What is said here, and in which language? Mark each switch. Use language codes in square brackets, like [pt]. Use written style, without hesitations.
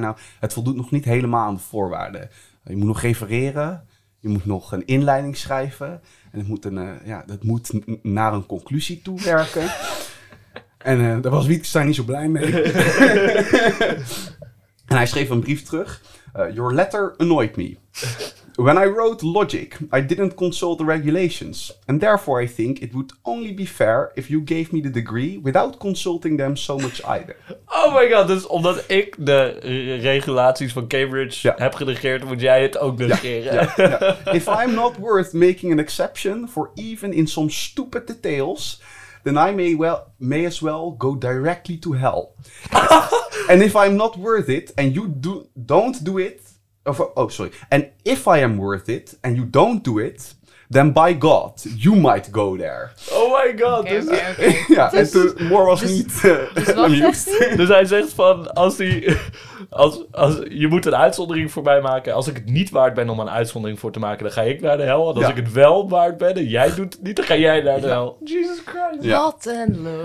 [nl] Nou, het voldoet nog niet helemaal aan de voorwaarden. Je moet nog refereren, je moet nog een inleiding schrijven en het moet naar een conclusie toe werken. En daar was Wittgenstein niet zo blij mee. En hij schreef een brief terug. [en] Your letter annoyed me. When I wrote logic, I didn't consult the regulations. And therefore I think it would only be fair if you gave me the degree without consulting them so much either. Oh my god, [nl] dus omdat ik de regulaties van Cambridge heb genegeerd, moet jij het ook negeren. Ja. [en] If I'm not worth making an exception for even in some stupid details, then I may as well go directly to hell. And if I'm not worth it and you don't do it, and if I am worth it and you don't do it, then by God, you might go there. Oh my God. Okay. [nl] Ja, dus, en toen Moore was niet amused. Dus hij zegt van, als je moet een uitzondering voor mij maken. Als ik het niet waard ben om een uitzondering voor te maken, dan ga ik naar de hel. En als ik het wel waard ben en jij doet het niet, dan ga jij naar de hel. [en] Jesus Christ. [nl] Ja. Wat een lul.